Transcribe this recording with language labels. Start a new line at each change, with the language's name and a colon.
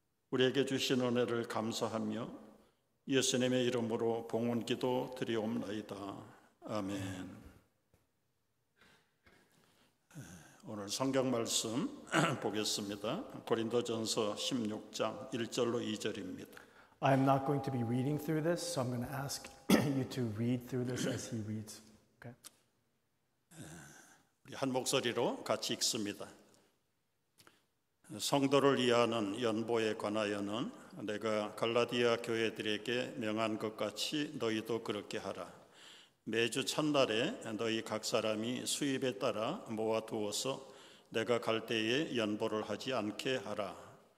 Korean: 우리에게 주신 은혜를 감사하며 예수님의 이름으로 봉헌기도 드리옵나이다. 아멘. 오늘 성경 말씀 보겠습니다. 고린도전서 16장 1절로 2절입니다.
English: I am not going to be reading through this, so I'm going to ask you to read through this as he reads. Okay.
Korean: 우리 한 목소리로 같이 읽습니다. 성도를 위하는 연보에 관하여는 내가 갈라디아 교회들에게 명한 것 같이 너희도 그렇게 하라. 매주 첫날에 너희 각 사람이 수입에 따라 모아두어서 내가 갈 때에 연보를 하지 않게 하라.